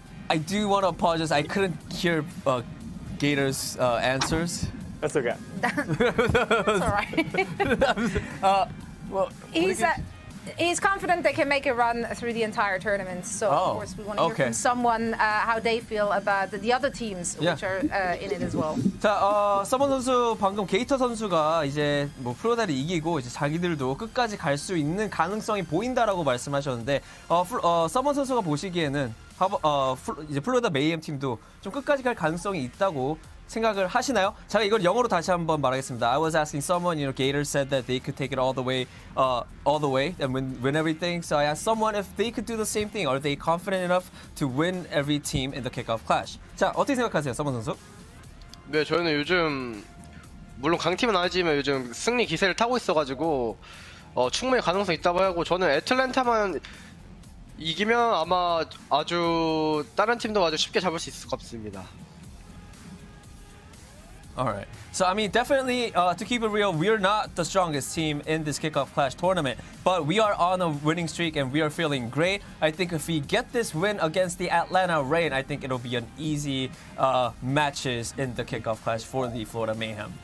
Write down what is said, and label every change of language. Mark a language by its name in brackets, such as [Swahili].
[English] I do want to apologize. I couldn't hear Gator's answers. That's okay. That's all right. He's confident they can make a run through the entire tournament. So, of course, we want to hear from someone how they feel about the other teams which are in it as well. [Korean] 자, 서머 선수, 방금 게이터 선수가 이제 뭐 프로다를 이기고 이제 자기들도 끝까지 갈 수 있는 가능성이 보인다라고 말씀하셨는데, 서머 선수가 보시기에는 이제 플로리다 메이엠 팀도 좀 끝까지 갈 가능성이 있다고 생각을 하시나요? 제가 이걸 영어로 다시 한번 말하겠습니다. [English] I was asking someone, you know, Gator said that they could take it all the way and win everything. So I asked someone if they could do the same thing. Are they confident enough to win every team in the kickoff clash? [Korean] 자, 어떻게 생각하세요, 서머 선수? 네, 저희는 요즘 물론 강팀은 아니지만 요즘 승리 기세를 타고 있어가지고 충분히 가능성 있다고 하고, 저는 애틀랜타만 이기면 아마 아주 다른 팀도 아주 쉽게 잡을 수 있을 것 같습니다. [English] All right. So, I mean, definitely, to keep it real, we are not the strongest team in this kickoff clash tournament, but we are on a winning streak and we are feeling great. I think if we get this win against the Atlanta Reign, I think it'll be an easy matches in the kickoff clash for the Florida Mayhem.